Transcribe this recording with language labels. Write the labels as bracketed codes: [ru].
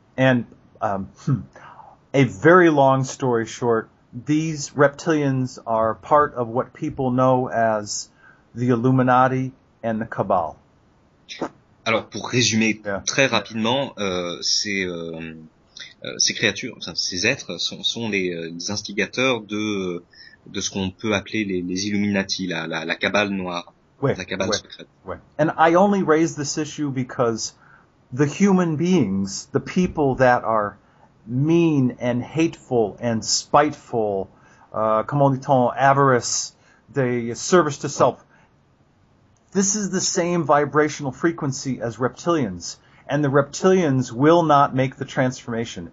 [en] And a very long story short, these reptilians are part of what people know as the Illuminati. And the cabal. [fr] Alors, pour résumer très rapidement, ces créatures, enfin, ces êtres, sont les instigateurs de ce qu'on peut appeler les Illuminati, la cabale noire, la cabale secrète. [en] And I only raise this issue because the human beings, the people that are mean and hateful and spiteful, [fr] comment dit-on, avarice, [en] they service to self. This is the same vibrational frequency as reptilians, and the reptilians will not make the transformation.